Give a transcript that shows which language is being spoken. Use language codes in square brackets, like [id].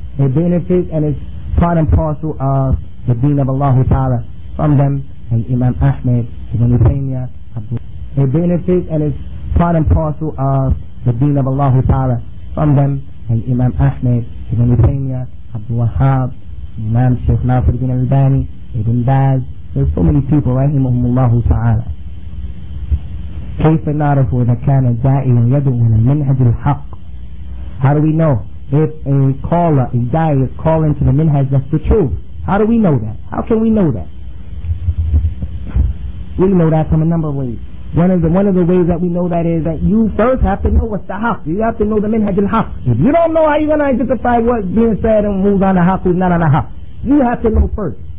[en] It benefits and it's part and parcel of the deen of Allah Ta'ala from them and Imam Ahmed, Ibn Taymiyyah, Abdullah. It benefits and it's part and parcel of the deen of Allah Ta'ala from them and Imam Ahmed, Ibn Taymiyyah, Abdul Wahhab, Imam Sheikh Nasir bin Albani, Ibn Baz. There's so many people, rahimahum Allah Ta'ala. [ar] كيف نعرف إذا كان داعي يدعو إلى منهج الحق. [en] How do we know if a caller, a da'i, is calling to the minhaj, that's the truth? How do we know that? How can we know that? We know that from a number of ways. One of the ways that we know that is that you first have to know what's the haq. You have to know the minhaj al-haq. If you don't know, how you going to identify what's being said and who's on the haq, who's not on the haq? You have to know first.